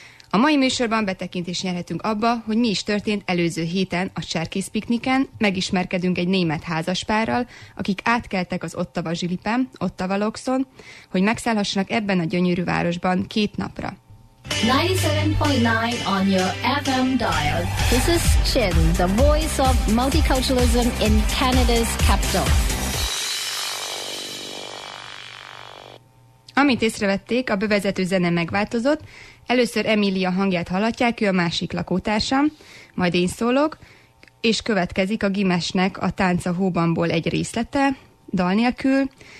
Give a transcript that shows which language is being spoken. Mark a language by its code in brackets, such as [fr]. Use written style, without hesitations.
[hu] A mai műsorban betekintést nyerhetünk abba, hogy mi is történt előző héten a Cserkész pikniken, megismerkedünk egy német házaspárral, akik átkeltek az Ottawa zsilipen, Ottawa Lokszon, hogy megszállhassanak ebben a gyönyörű városban két napra. [en] 97.9 on your FM dial. This is Chin, the voice of multiculturalism in Canada's capital. [hu] Amit észrevették, a bevezető zene megváltozott. Először Emília hangját hallatják, ő a másik lakótársam, majd én szólok, és következik a Gimesnek a Tánca Hóbanból egy részlete, dal nélkül.